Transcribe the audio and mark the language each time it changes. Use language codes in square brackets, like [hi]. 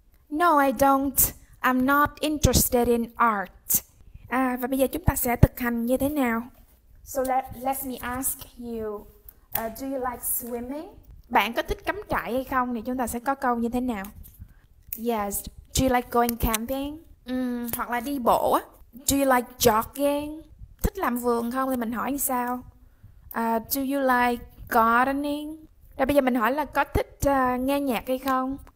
[en] No, I don't. I'm not interested in art. [vi] Và bây giờ chúng ta sẽ thực hành như thế nào? [en] So let me ask you, do you like swimming? [vi] Bạn có thích cắm trại hay không? Thì chúng ta sẽ có câu như thế nào? [en] Yes, do you like going camping? [vi] Hoặc là đi bộ á. [en] Do you like jogging? [vi] Thích làm vườn không? Thì mình hỏi như sao? [en] Do you like gardening? [vi] Rồi bây giờ mình hỏi là có thích nghe nhạc hay không?